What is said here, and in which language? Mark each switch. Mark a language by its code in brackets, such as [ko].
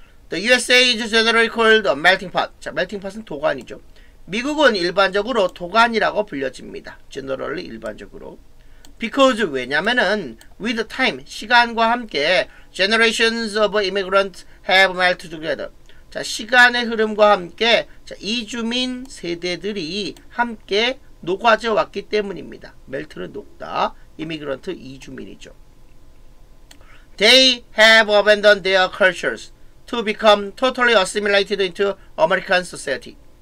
[en] The USA is generally called a melting pot. [ko] 자, melting pot은 도가니죠. 미국은 일반적으로 도관이라고 불려집니다. Generally 일반적으로. [en] Because [ko] 왜냐면은 [en] with time, [ko] 시간과 함께 [en] generations of immigrants have melted together. [ko] 자, 시간의 흐름과 함께 자, 이주민 세대들이 함께 녹아져 왔기 때문입니다. Melt는 녹다. Immigrant 이주민이죠. [en] They have abandoned their cultures to become totally assimilated into American society.